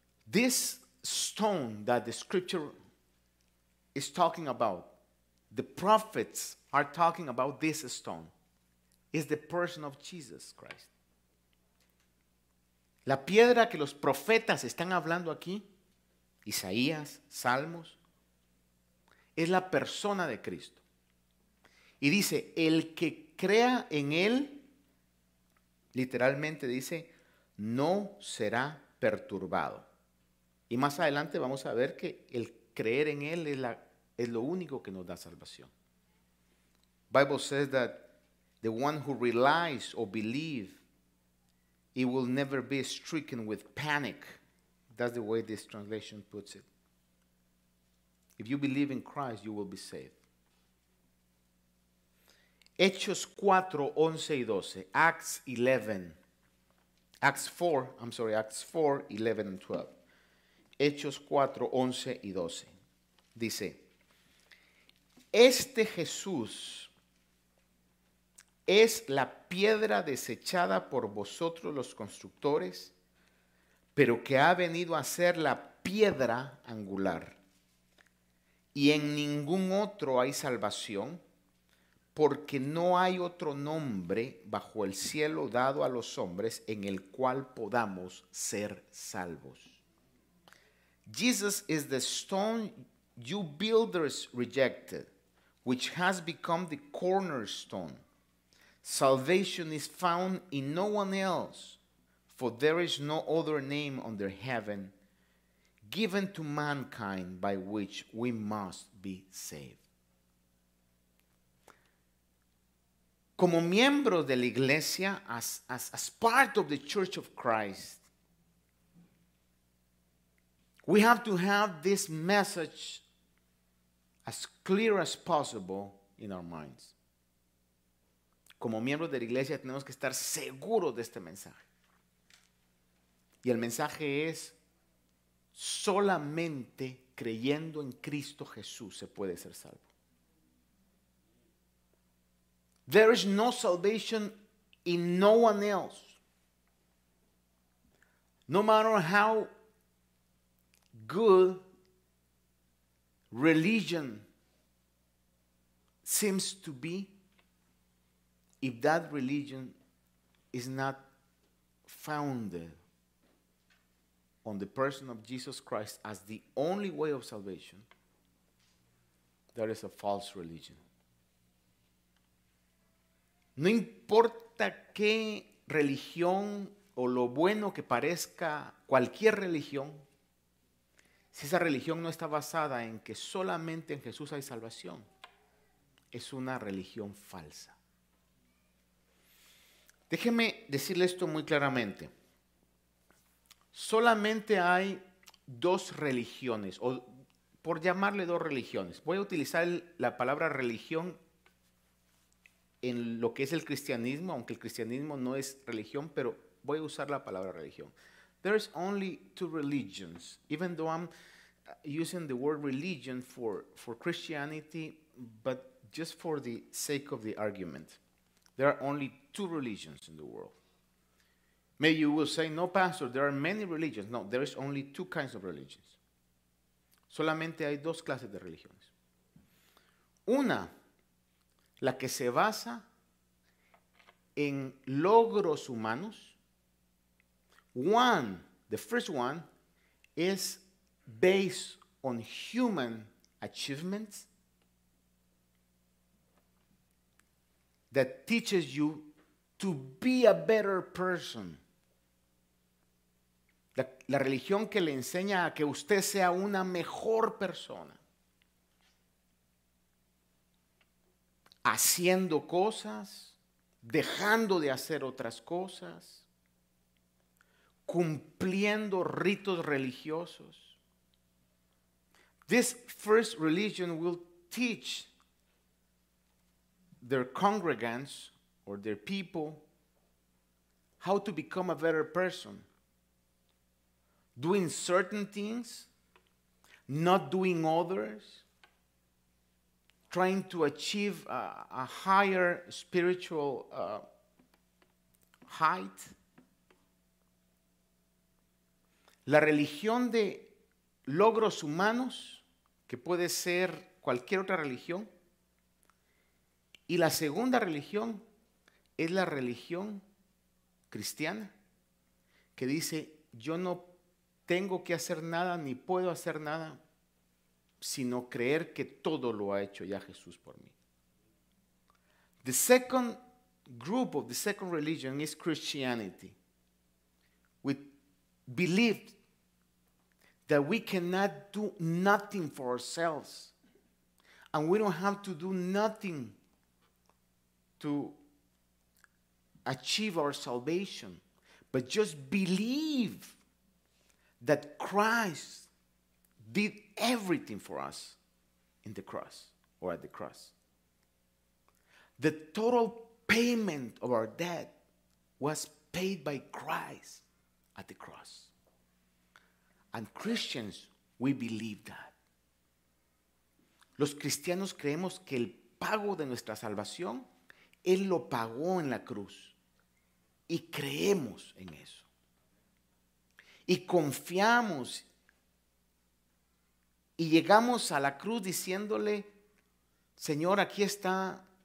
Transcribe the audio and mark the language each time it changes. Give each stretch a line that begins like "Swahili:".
English: This stone that the scripture is talking about, the prophets are talking about this stone, is the person of Jesus Christ.
Spanish: La piedra que los profetas están hablando aquí, Isaías, Salmos, es la persona de Cristo. Y dice, el que crea en él, literalmente dice, no será perturbado. Y más adelante vamos a ver que el creer en él es lo único que nos da salvación.
English: Bible says that the one who relies or believes, he will never be stricken with panic. That's the way this translation puts it. If you believe in Christ, you will be saved.
Spanish: Hechos 4, 11 y 12.
English: Acts 11. Acts 4, 11 and 12.
Spanish: Hechos 4, 11 y 12. Dice, este Jesús es la piedra desechada por vosotros los constructores, pero que ha venido a ser la piedra angular. Y en ningún otro hay salvación, porque no hay otro nombre bajo el cielo dado a los hombres en el cual podamos ser salvos.
English: Jesus is the stone you builders rejected, which has become the cornerstone. Salvation is found in no one else, for there is no other name under heaven given to mankind by which we must be saved.
Spanish: Como miembro de la iglesia,
English: as part of the Church of Christ, we have to have this message as clear as possible in our minds.
Spanish: Como miembros de la iglesia tenemos que estar seguros de este mensaje. Y el mensaje es: solamente creyendo en Cristo Jesús se puede ser salvo.
English: There is no salvation in no one else. No matter how good religion seems to be, if that religion is not founded on the person of Jesus Christ as the only way of salvation, that is a false religion.
Spanish: No importa qué religión o lo bueno que parezca cualquier religión, si esa religión no está basada en que solamente en Jesús hay salvación, es una religión falsa. Déjeme decirle esto muy claramente. Solamente hay dos religiones, o por llamarle dos religiones. Voy a utilizar la palabra religión en lo que es el cristianismo, aunque el cristianismo no es religión, pero voy a usar la palabra religión.
English: There is only two religions. Even though I'm using the word religion for Christianity, but just for the sake of the argument, there are only two religions in the world. Maybe you will say, no, pastor, there are many religions. No, there is only two kinds of religions.
Spanish: Solamente hay dos clases de religiones. Una, la que se basa en logros humanos.
English: One, the first one, is based on human achievements that teaches you to be a better person.
Spanish: La religión que le enseña a que usted sea una mejor persona, haciendo cosas, dejando de hacer otras cosas, cumpliendo ritos religiosos.
English: This first religion will teach their congregants or their people how to become a better person. Doing certain things, not doing others, trying to achieve a higher spiritual height.
Spanish: La religión de logros humanos, que puede ser cualquier otra religión. Y la segunda religión es la religión cristiana, que dice: yo no tengo que hacer nada, ni puedo hacer nada, sino creer que todo lo ha hecho ya Jesús por mí.
English: The second group of the second religion is Christianity, which believed that we cannot do nothing for ourselves, and we don't have to do nothing to achieve our salvation, but just believe that Christ did everything for us in the cross or at the cross. The total payment of our debt was paid by Christ at the cross. And Christians, we believe that.
Spanish: Los cristianos creemos que el pago de nuestra salvación, Él lo pagó en la cruz. Y creemos en eso. Y confiamos y llegamos a la cruz diciéndole: Señor, aquí está